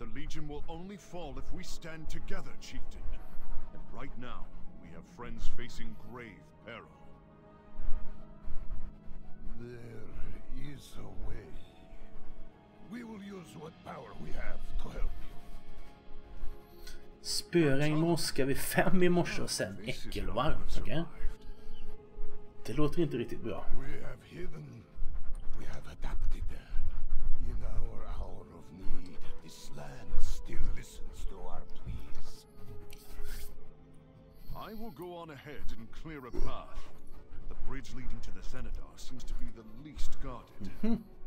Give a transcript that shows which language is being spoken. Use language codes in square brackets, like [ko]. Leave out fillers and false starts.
[en] The Legion will only fall if we stand together, Chieftain. And right now, we have friends facing grave peril. There is a way. We will use what power we have to help you. [sv] Spöregnmoska vid 5 i morse och sen äckelvarmt, okej? Det låter inte riktigt bra. [en] We have hidden. We have adapted. In our hour of need, this land still listens to our pleas. I will go on ahead and clear a path. The bridge leading to the Xenadar seems to be the least guarded.